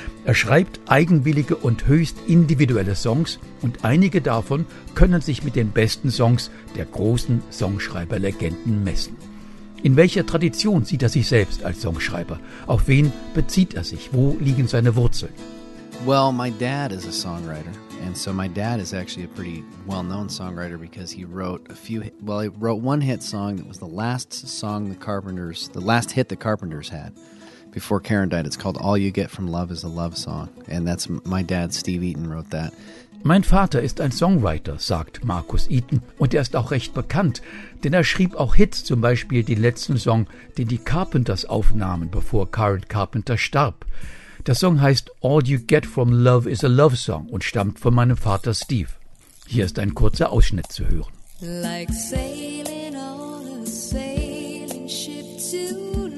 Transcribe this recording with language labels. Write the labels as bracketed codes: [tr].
[de] Er schreibt eigenwillige und höchst individuelle Songs und einige davon können sich mit den besten Songs der großen Songschreiberlegenden messen. In welcher Tradition sieht er sich selbst als Songschreiber? Auf wen bezieht er sich? Wo liegen seine Wurzeln? [en] Well, my dad is a songwriter. And so my dad is actually a pretty well-known songwriter because he wrote he wrote one hit song that was the last song the last hit the Carpenters had before Karen died. It's called All You Get From Love Is a Love Song. And that's my dad, Steve Eaton, wrote that. [de] Mein Vater ist ein Songwriter, sagt Marcus Eaton. Und er ist auch recht bekannt, denn er schrieb auch Hits, zum Beispiel den letzten Song, den die Carpenters aufnahmen, bevor Karen Carpenter starb. Der Song heißt All You Get From Love Is a Love Song und stammt von meinem Vater Steve. Hier ist ein kurzer Ausschnitt zu hören. [en] Like sailing on a sailing ship to